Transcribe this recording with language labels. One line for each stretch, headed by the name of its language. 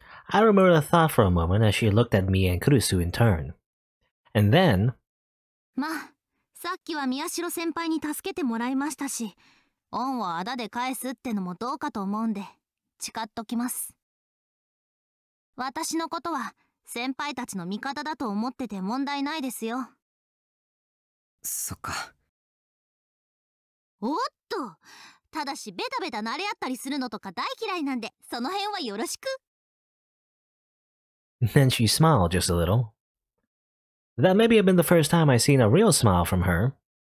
English: I remember the thought for a moment as she looked at me and Kurusu in turn. And then...
Japanese: まあ、さっきは宮代先輩に助けてもらいましたし、恩をあだで返すってのもどうかと思うんで、誓っときます。私のことは先輩たちの味方だと思ってて問題ないですよ。そっか。おっと、ただしベタベタ慣れ合ったりするのとか大嫌いなんで、その辺はよろしく。
English: Then she smiled just a little. That maybe had been the first time I'd seen a real smile from her.